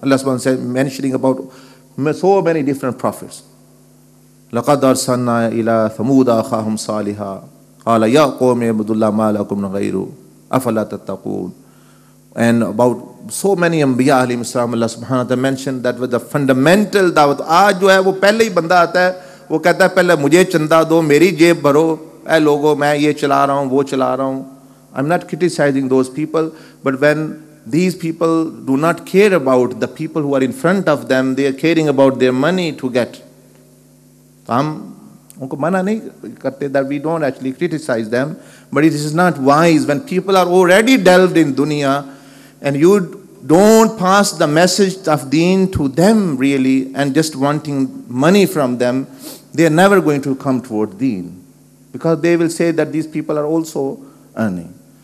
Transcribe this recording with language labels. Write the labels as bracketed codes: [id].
[en] Allah subhanahu wa ta'ala said, mentioning about so many different prophets. [ar] لَقَدْ أَرْسَلْنَا إِلَىٰ ثَمُودَ أَخَاهُمْ صَالِحًا قَالَ يَا قَوْمِ اعْبُدُوا اللَّهَ مَا لَكُمْ مِنْ غَيْرِهِ أَفَلَا تَتَّقُونَ. [en] And about so many anbiya alayhi salam, Allah subhanahu wa ta'ala mentioned that was the fundamental da'wat. [ur] آج جو ہے وہ پہلے ہی بندہ آتا ہے وہ کہتا ہے پہلے مجھے چندہ دو, میری جیب بھرو, اے لوگوں میں یہ چلا رہا ہوں وہ چلا رہا ہوں. [en] I'm not criticizing those people, but when these people do not care about the people who are in front of them, they are caring about their money to get. [ur] Hum unko mana nahi karte, [en] that we don't actually criticize them, but it is not wise when people are already delved in dunya and you don't pass the message of deen to them really, and just wanting money from them, they are never going to come toward deen, because they will say that these people are also earning.